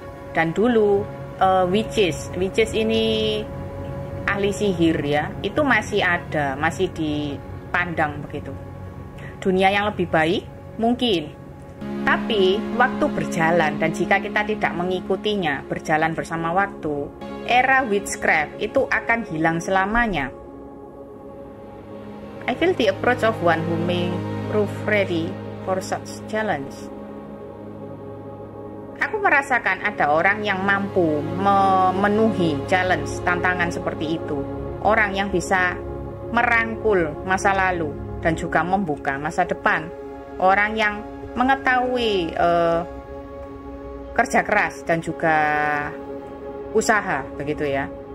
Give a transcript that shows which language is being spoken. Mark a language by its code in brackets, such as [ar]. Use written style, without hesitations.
[id] Dan dulu witches ini ahli sihir ya, itu masih ada, masih dipandang begitu. Dunia yang lebih baik mungkin. Tapi waktu berjalan dan jika kita tidak mengikutinya, berjalan bersama waktu, era witchcraft itu akan hilang selamanya. [en] I feel the approach of one who may prove ready for such challenge. [id] Aku merasakan ada orang yang mampu memenuhi challenge, tantangan seperti itu. Orang yang bisa merangkul masa lalu dan juga membuka masa depan. Orang yang mengetahui kerja keras dan juga usaha, begitu ya.